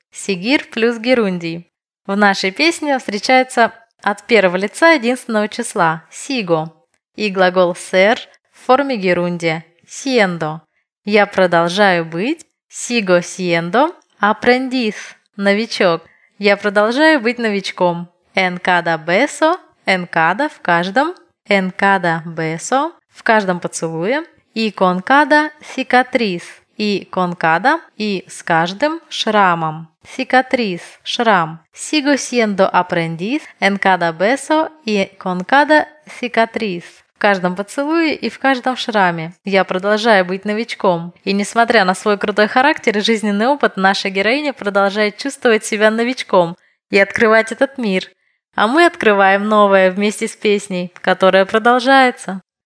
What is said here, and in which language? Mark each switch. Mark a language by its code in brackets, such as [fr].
[ru] Сигир плюс герундий. В нашей песне встречается от первого лица единственного числа «сиго» и глагол «сер» в форме герундия «сиендо». Я продолжаю быть [es] «сиго сиендо» [ru] «апрендиз» – «новичок». Я продолжаю быть новичком. [es] «En cada beso» – «en cada» – [ru] «в каждом». [es] «En cada beso» [ru] – «в каждом поцелуе». «И [es] con cada cicatriz» [ru] – «и [es] con cada» [ru] – «и с каждым шрамом». Cicatriz, шрам. [es] Sigo siendo aprendiz en cada beso y con cada cicatriz. [ru] В каждом поцелуе и в каждом шраме. Я продолжаю быть новичком. И несмотря на свой крутой характер и жизненный опыт, наша героиня продолжает чувствовать себя новичком и открывать этот мир. А мы открываем новое вместе с песней, которая продолжается.